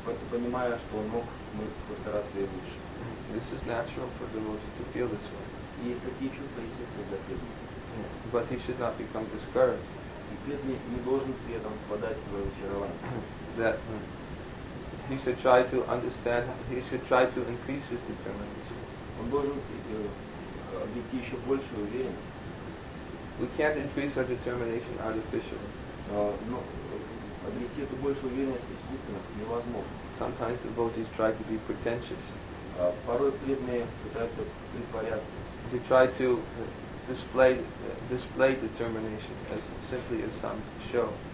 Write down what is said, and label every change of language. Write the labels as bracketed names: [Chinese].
[Russian] Понимая, что он мог бы постараться лучше. [English] This is natural for the devotee to feel this way. [Russian] И такие чувства естественны для преданных. [English] But he should not become discouraged. [Russian] И преданный не должен при этом впадать в разочарование. [English] That he should try to understand, he should try to increase his determination. [Russian] Он должен обрести еще большую уверенность. [English] We can't increase our determination artificially. [Russian] Но обрести эту большую уверенность искусственно невозможно. [English] Sometimes devotees try to be pretentious. [Russian] Порой преданные пытаются притворяться. [English] They try to display determination as simply as some show.